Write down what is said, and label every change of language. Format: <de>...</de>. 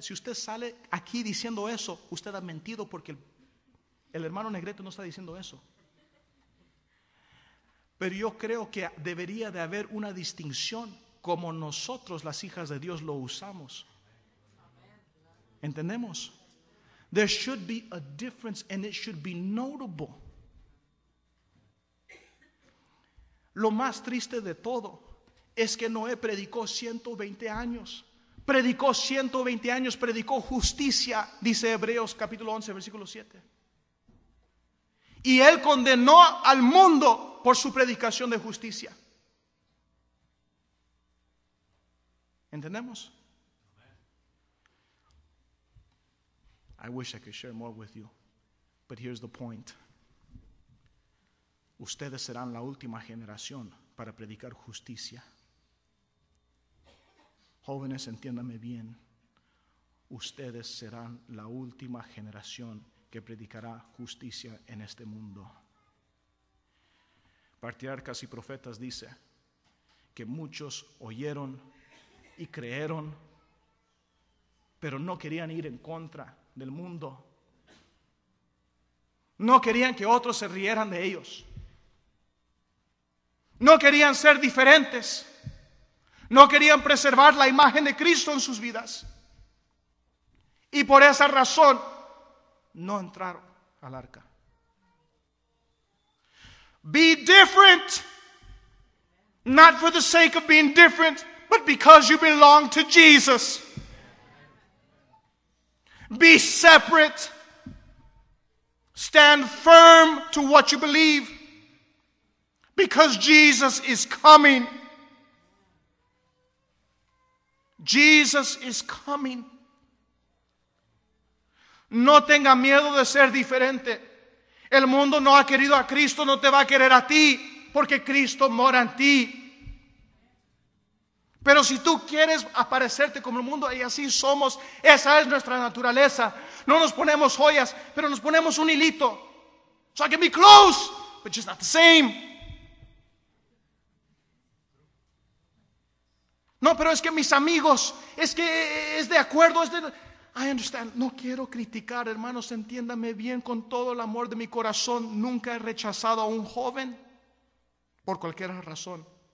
<es>Si usted sale aquí diciendo eso, usted ha mentido, porque el hermano Negrete no está diciendo eso. Pero yo creo que debería de haber una distinción como nosotros, las hijas de Dios, lo usamos. ¿Entendemos?</es> <en>There should be a difference and it should be notable.</en> <es>Lo más triste de todo es que Noé predicó 120 años. Predicó 120 años, predicó justicia, dice Hebreos capítulo 11, versículo 7. Y él condenó al mundo por su predicación de justicia. ¿Entendemos?</es> <en>I wish I could share more with you, but here's the point.</en> <es>Ustedes serán la última generación para predicar justicia. Jóvenes, entiéndame bien. Ustedes serán la última generación que predicará justicia en este mundo. Patriarcas y Profetas dice que muchos oyeron y creyeron, pero no querían ir en contra del mundo. No querían que otros se rieran de ellos. No querían ser diferentes. No querían preservar la imagen de Cristo en sus vidas. Y por esa razón no entraron al arca.</es> <en>Be different, not for the sake of being different, but because you belong to Jesus. Be separate. Stand firm to what you believe, because Jesus is coming. Jesus is coming.</en> <es>No tenga miedo de ser diferente. El mundo no ha querido a Cristo, no te va a querer a ti, porque Cristo mora en ti. Pero si tú quieres aparecerte como el mundo, y así somos, esa es nuestra naturaleza. No nos ponemos joyas, pero nos ponemos un hilito.</es> <en>So I can be close, but just not the same.</en> <es>No, pero es que mis amigos, es que es de acuerdo, es de...</es> <en>I understand.</en> <es>No quiero criticar, hermanos, entiéndame bien, con todo el amor de mi corazón, nunca he rechazado a un joven por cualquier razón.</es>